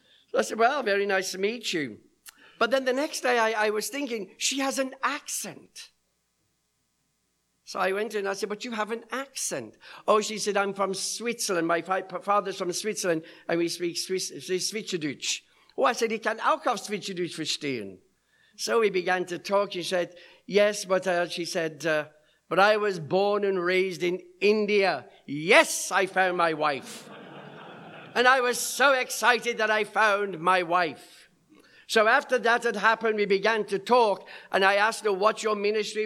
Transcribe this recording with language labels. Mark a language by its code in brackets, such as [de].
[en] So I said, well, very nice to meet you. But then the next day I was thinking, she has an accent. So I went in and I said, but you have an accent. Oh, she said, I'm from Switzerland. My father's from Switzerland and we speak Schweizerdeutsch. Oh, I said, [de] ich kann auch auf Schweizerdeutsch verstehen. [en] So we began to talk. She said, yes, but she said, but I was born and raised in India. Yes, I found my wife. And I was so excited that I found my wife. So after that had happened, we began to talk, and I asked her, what's your ministry?